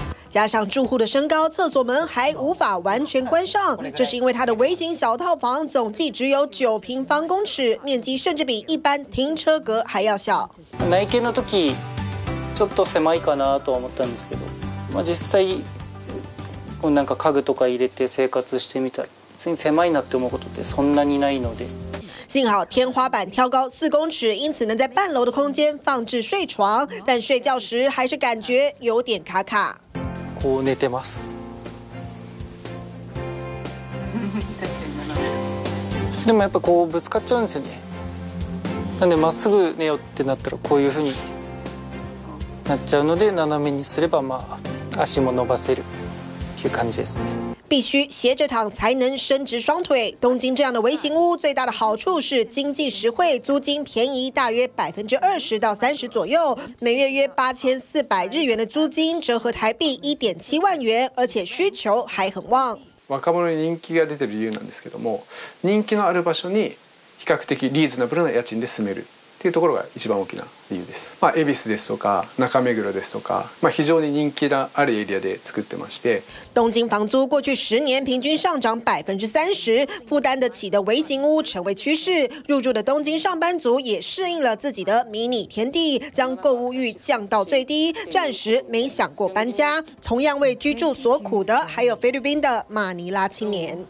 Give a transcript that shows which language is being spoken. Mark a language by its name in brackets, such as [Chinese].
[Chinese] 加上住户的身高，厕所门还无法完全关上，这是因为它的微型小套房总计只有9平方公尺，面积甚至比一般停车格还要小。 [Japanese] 内見の時ちょっと狭いかなと思ったんですけど、まあ実際こうなんか家具とか入れて生活してみたら。狭いなって思うことってそんなにないので。 [Chinese] 幸好天花板挑高4公尺，因此能在半楼的空间放置睡床，但睡觉时还是感觉有点卡卡。 [Japanese] こう寝てます。でもやっぱこうぶつかっちゃうんですよね。なんでまっすぐ寝ようってなったらこういう風になっちゃうので斜めにすればまあ足も伸ばせるっていう感じですね。 [Chinese] 必须斜着躺才能伸直双腿。东京这样的微型屋最大的好处是经济实惠，租金便宜，大约20%到30%左右，每月约8400日元的租金，折合台币1.7万元，而且需求还很旺。 [Japanese] 若者に人気が出てる理由なんですけども、人気のある場所に比較的リーズナブルな家賃で住めるっていうところが一番大きな理由です。まあ恵比寿ですとか中目黒ですとか、まあ非常に人気のあるエリアで作ってまして。 [Chinese] 東京房租过去十年平均上涨30%，负担得起的微型屋成为趋势。入住的东京上班族也适应了自己的迷你天地，将购物欲降到最低，暂时没想过搬家。同样为居住所苦的还有菲律宾的马尼拉青年。